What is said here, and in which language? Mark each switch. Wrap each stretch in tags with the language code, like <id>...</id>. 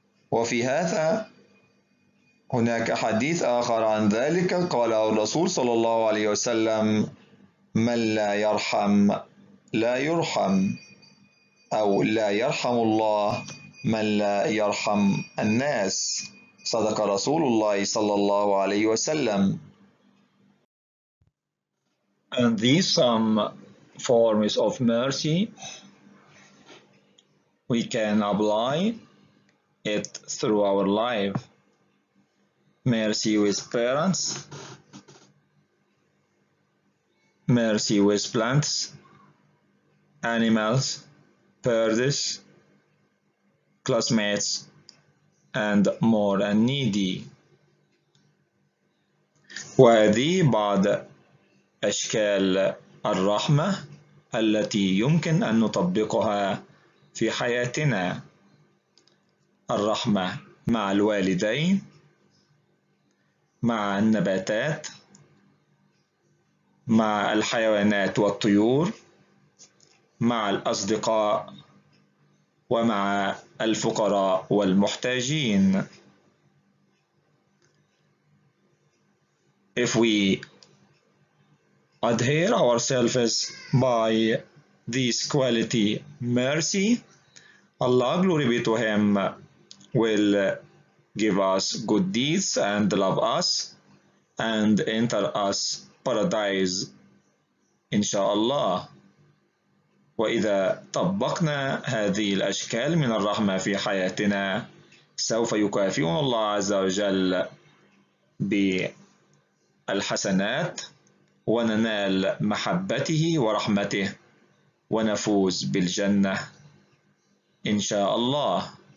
<ar>وفي هذا هناك حديث آخر عن ذلك، قال الرسول صلى الله عليه وسلم: من لا يرحم لا يرحم، أو لا يرحم الله من لا يرحم الناس. صدق رسول الله صلى الله عليه وسلم.</ar> <en>And these some forms of mercy we can apply it through our life. Mercy with parents, mercy with plants, animals, birds, classmates, and more and needy.</en> <ar>وهذه بعض أشكال الرحمة التي يمكن أن نطبقها في حياتنا. الرحمة مع الوالدين، مع النباتات، مع الحيوانات والطيور، مع الأصدقاء، ومع الفقراء والمحتاجين.</ar> <en>If we adhere ourselves by this quality mercy, Allah, glory be to him, will give us good deeds and love us and enter us paradise, inshallah.</en> <ar>وإذا طبقنا هذه الأشكال من الرحمة في حياتنا سوف يكافئنا الله عز وجل بالحسنات وننال محبته ورحمته ونفوز بالجنة إن شاء الله.</ar>